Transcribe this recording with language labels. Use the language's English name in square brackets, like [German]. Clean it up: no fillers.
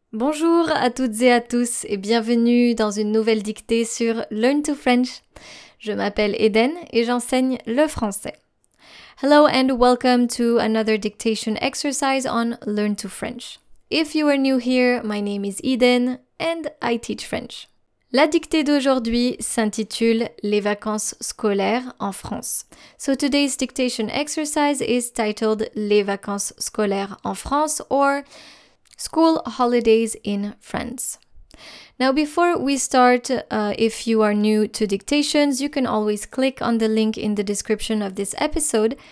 [French] Bonjour à toutes et à tous et bienvenue dans une nouvelle dictée sur Learn to French. Je m'appelle Eden et j'enseigne le français. [English] Hello and welcome to another dictation exercise on Learn to French. If you are new here, my name is Eden and I teach French. [French] La dictée d'aujourd'hui s'intitule Les vacances scolaires en France. [English] So today's dictation exercise is titled [French] Les vacances scolaires en France [English] or School holidays in France. Now, before we start, if you are new to dictations, you can always click on the link in the description of this episode.